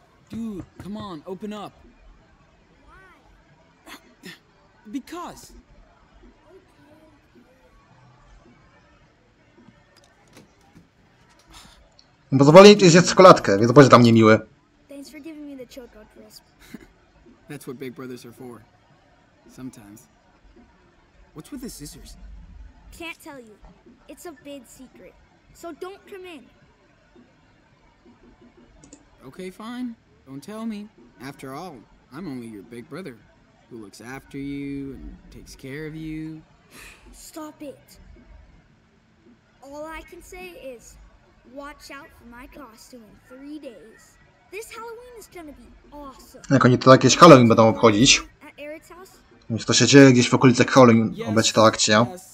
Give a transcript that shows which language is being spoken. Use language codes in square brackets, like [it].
[en] Dude, come on, open up. Because... [pl] Pozwoli ci zjeść czekoladkę, więc bądź tam niemiły. [en] Thanks for giving me the choco crisp. That's what big brothers are for. Sometimes. What's with the scissors? Can't tell you. It's a big secret. So don't come in. Okay, fine. Don't tell me. After all, I'm only your big brother. Who looks after you and takes care of you. Stop it. All I can say is... Watch out for my costume in 3 days. This Halloween is gonna be awesome. [pl] Jak oni to jakieś Halloween będą obchodzić? Więc to się dzieje gdzieś w okolicy Halloween, obecnie ta akcja.